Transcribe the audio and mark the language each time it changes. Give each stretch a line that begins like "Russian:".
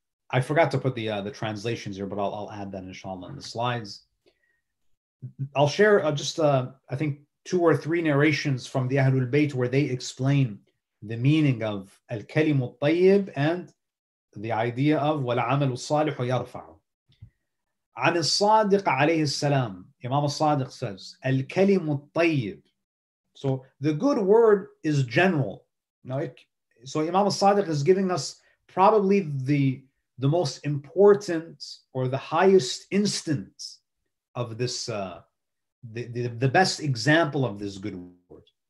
English: I forgot to put the translations here, but I'll add that inshallah in the slides. I'll share I think two or three narrations from the Ahlul Bayt where they explain the meaning of al-kalim al-tayyib and the idea of
Arabic: وَالْعَمَلُ الصَّالِحُ يَرْفَعُ. عن الصادق عليه السلام,
English: Imam al-Sadiq says
Arabic: الْكَلِمُ الطَّيِّبُ.
English: So the good word is general. Now, so Imam al-Sadiq is giving us probably the most important or the highest instance of this, the best example of this good word.